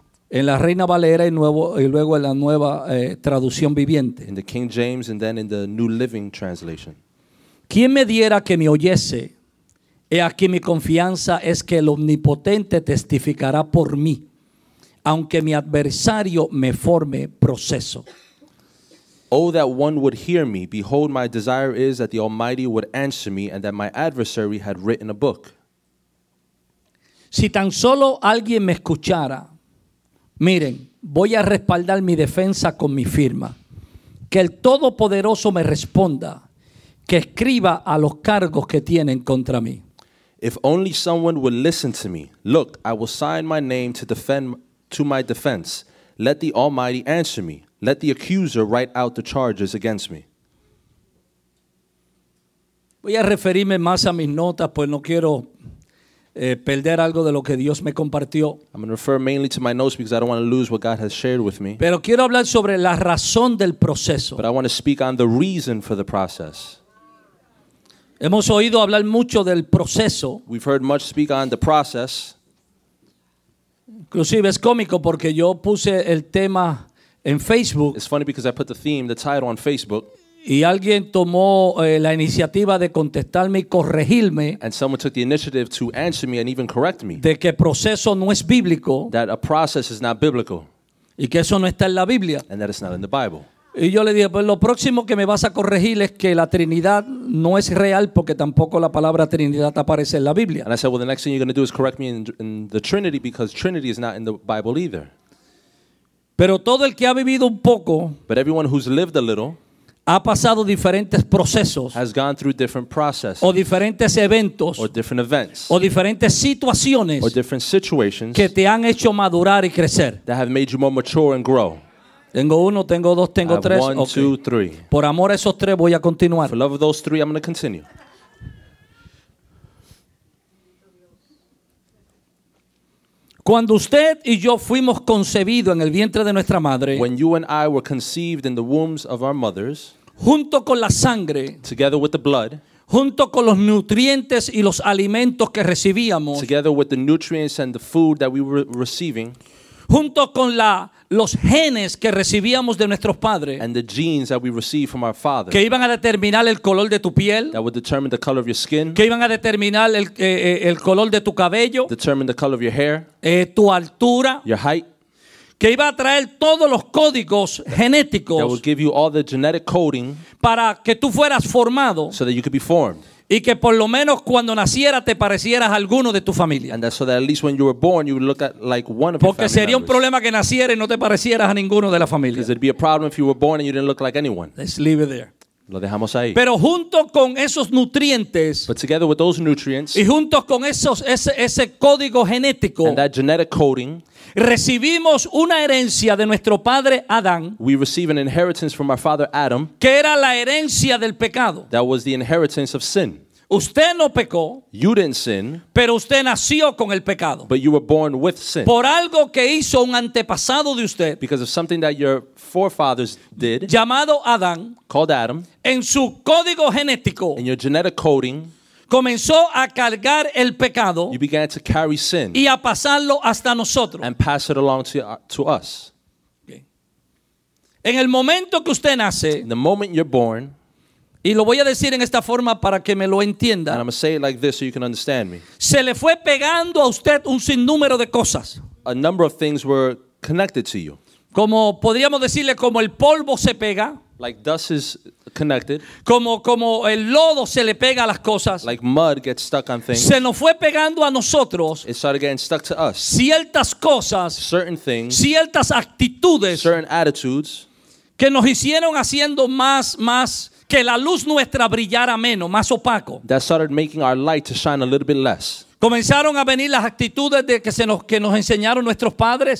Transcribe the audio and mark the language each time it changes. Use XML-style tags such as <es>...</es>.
<es>En la Reina Valera y, nuevo, y luego en la Nueva Traducción Viviente.</es> <en>In the King James and then in the New Living Translation.</en> <es>¿Quién me diera que me oyese? He aquí mi confianza es que el Omnipotente testificará por mí, aunque mi adversario me forme proceso.</es> <en>Oh, that one would hear me. Behold, my desire is that the Almighty would answer me and that my adversary had written a book.</en> <es>Si tan solo alguien me escuchara. Miren, voy a respaldar mi defensa con mi firma. Que el Todopoderoso me responda. Que escriba a los cargos que tienen contra mí.</es> <en>If only someone would listen to me. Look, I will sign my name to defend to my defense. Let the Almighty answer me. Let the accuser write out the charges against me.</en> <es>Voy a referirme más a mis notas, pues no quiero perder algo de lo que Dios me compartió.</es> <en>I'm going to refer mainly to my notes because I don't want to lose what God has shared with me.</en> <es>Pero quiero hablar sobre la razón del proceso.</es> <en>But I want to speak on the reason for the process.</en> <es>Hemos oído hablar mucho del proceso.</es> <en>We've heard much speak on the process.</en> <es>Inclusive es cómico porque yo puse el tema en Facebook.</es> <en>It's funny because I put the theme, the title on Facebook.</en> <es>Y alguien tomó la iniciativa de contestarme y corregirme.</es> <en>And someone took the initiative to answer me and even correct me.</en> <es>De que proceso no es bíblico.</es> <en>That a process is not biblical.</en> <es>Y que eso no está en la Biblia.</es> <en>And that it's not in the Bible.</en> <es>Y yo le dije, pues lo próximo que me vas a corregir es que la Trinidad no es real porque tampoco la palabra Trinidad aparece en la Biblia.</es> <en>And I said, well, the next thing you're going to do is correct me in the Trinity because Trinity is not in the Bible either.</en> <es>Pero todo el que ha vivido un poco.</es> <en>But everyone who's lived a little.</en> <es>Ha pasado diferentes procesos.</es> <en>Has gone through different processes.</en> <es>O diferentes eventos.</es> <en>Or different events.</en> <es>O diferentes situaciones.</es> <en>Or different situations.</en> <es>Que te han hecho madurar y crecer.</es> <en>That have made you more mature and grow.</en> <es>Tengo uno, tengo dos, tengo tres.</es> <en>One, okay. Two, three.</en> <es>Por amor a esos tres voy a continuar.</es> <en>For love of those three, I'm going to continue.</en> <es>Cuando usted y yo fuimos concebidos en el vientre de nuestra madre,</es> <en>when you and I were conceived in the wombs of our mothers,</en> <es>junto con la sangre,</es> <en>together with the blood,</en> <es>junto con los nutrientes y los alimentos que recibíamos,</es> <en>together with the nutrients and the food that we were receiving,</en> <es>junto con los genes que recibíamos de nuestros padres,</es> <en>and the genes that we received from our fathers,</en> <es>que iban a determinar el color de tu piel,</es> <en>that would determine the color of your skin,</en> <es>que iban a determinar el color de tu cabello,</es> <en>determine the color of your hair,</en> <es>tu altura,</es> <en>your height,</en> <es>que iba a traer todos los códigos genéticos,</es> <en>that would give you all the genetic coding,</en> <es>para que tú fueras formado,</es> <en>so that you could be formed.</en> <es>Y que por lo menos cuando nacieras te parecieras alguno de tu familia.</es> <en>And that's so that at least when you were born you would look at like one of your family.</en> <es>Porque sería</es> <en>members.</en> <es>Un problema que nacieras y no te parecieras a ninguno de la familia.</es> <en>Because it'd be a problem if you were born and you didn't look like anyone. Let's leave it there.</en> <es>Lo dejamos ahí. Pero junto con esos nutrientes.</es> <en>But together with those nutrients.</en> <es>Y junto con ese código genético.</es> <en>And that genetic coding.</en> <es>Recibimos una herencia de nuestro padre Adán.</es> <en>We receive an inheritance from our father Adam.</en> <es>Que era la herencia del pecado.</es> <en>That was the inheritance of sin.</en> <es>Usted no pecó.</es> <en>You didn't sin.</en> <es>Pero usted nació con el pecado.</es> <en>But you were born with sin.</en> <es>Por algo que hizo un antepasado de usted.</es> <en>Because of something that your forefathers did.</en> <es>Llamado Adán.</es> <en>Called Adam.</en> <es>En su código genético.</es> <en>In your genetic coding.</en> <es>Comenzó a cargar el pecado.</es> <en>You began to carry sin.</en> <es>Y a pasarlo hasta nosotros.</es> <en>And pass it along to us. Okay.</en> <es>En el momento que usted nace.</es> <en>In the moment you're born.</en> <es>Y lo voy a decir en esta forma para que me lo entienda.</es> <en>And I'm going to say it like this so you can understand me.</en> <es>Se le fue pegando a usted un sinnúmero de cosas.</es> <en>A number of things were connected to you.</en> <es>Como podríamos decirle, como el polvo se pega.</es> <en>Like dust is connected.</en> <es>Como el lodo se le pega a las cosas.</es> <en>Like mud gets stuck on things.</en> <es>Se nos fue pegando a nosotros.</es> <en>It started getting stuck to us.</en> <es>Ciertas cosas.</es> <en>Certain things.</en> <es>Ciertas actitudes.</es> <en>Certain attitudes.</en> <es>que nos hicieron haciendo más, más, que la luz nuestra brillara menos, más opaco.</es> <en>That started making our light to shine a little bit less.</en> <es>Comenzaron a venir las actitudes de que nos enseñaron nuestros padres.</es>